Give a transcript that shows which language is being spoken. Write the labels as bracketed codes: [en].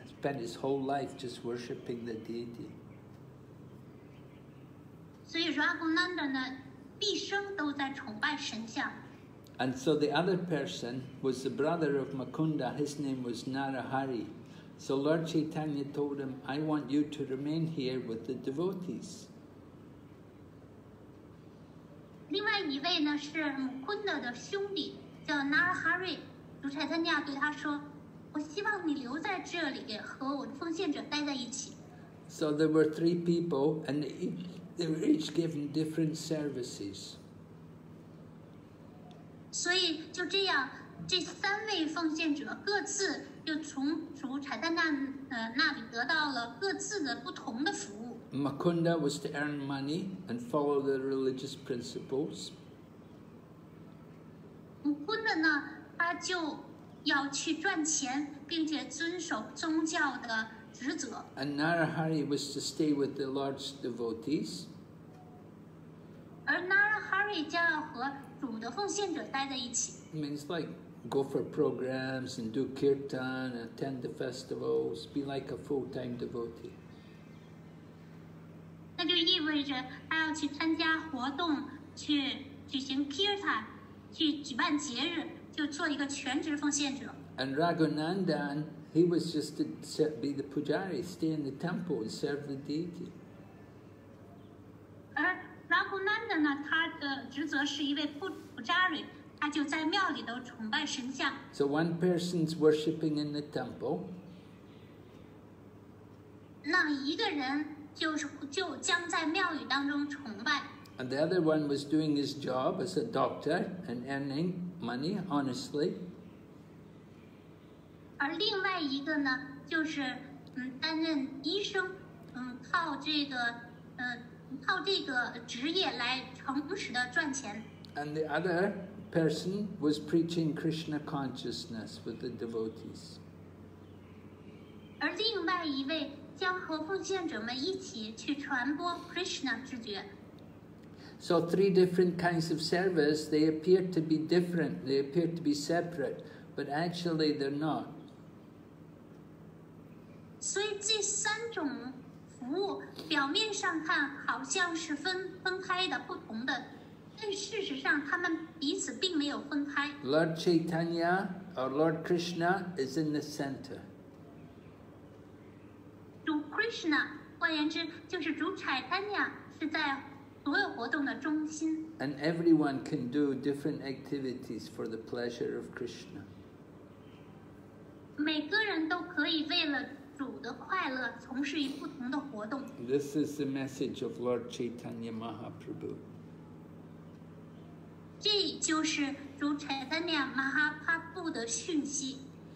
[en] spent his whole life just worshiping the deity. [zh] 所以说阿古兰德呢毕生都在崇拜神像。 [en] And so the other person was the brother of Mukunda, his name was Narahari. So Lord Chaitanya told him, I want you to remain here with the devotees. [zh] 另外一位呢是 Mukunda 的兄弟叫 Narahari, 主 Chaitanya 对他说我希望你留在这里和我的奉献者待在一起。 [en] So there were three people and they were each given different services. [zh] 所以就这样，这三位奉献者各自又从主柴旦那那里得到了各自的不同的服务。 [en] Mukunda was to earn money and follow the religious principles. [zh] Mukunda 呢，他就要去赚钱，并且遵守宗教的职责。 [en] And Narahari was to stay with the Lord's devotees. [zh] 而 Narahari 将要和主的奉献者待在一起。 [en] I mean, it's like go for programs and do kirtan, attend the festivals, be like a full-time devotee. [zh] 那就意味着他要去参加活动，去举行 kirtan, 去举办节日，就做一个全职奉献者。 [en] And Raghunandan, he was just to be the pujari, stay in the temple and serve the deity. [zh] Raghunanda 呢，他的职责是一位Pujari，他就在庙里头崇拜神像。 [en] So one person's worshipping in the temple. [zh] 那一个人就将在庙宇当中崇拜。 [en] And the other one was doing his job as a doctor and earning money honestly. [zh] 而另外一个呢，就是担任医生，靠这个靠这个职业来诚实的赚钱。 [en] And the other person was preaching Krishna consciousness with the devotees. [zh] 而另外一位将和奉献者们一起去传播 Krishna 知觉。 [en] So three different kinds of service, they appear to be different, they appear to be separate, but actually they're not. [zh] 所以这三种服务表面上看好像是分开的不同的，但事实上他们彼此并没有分开。 [en] Lord Chaitanya or Lord Krishna is in the center. [zh] 主 Krishna, 换言之就是主 Chaitanya 是在所有活动的中心。 [en] And everyone can do different activities for the pleasure of Krishna. [zh] 每个人都可以为了主的快乐从事于不同的活动。 [en] This is the message of Lord Chaitanya Mahaprabhu. [zh] 这就是主 Chaitanya Mahaprabhu 的讯息。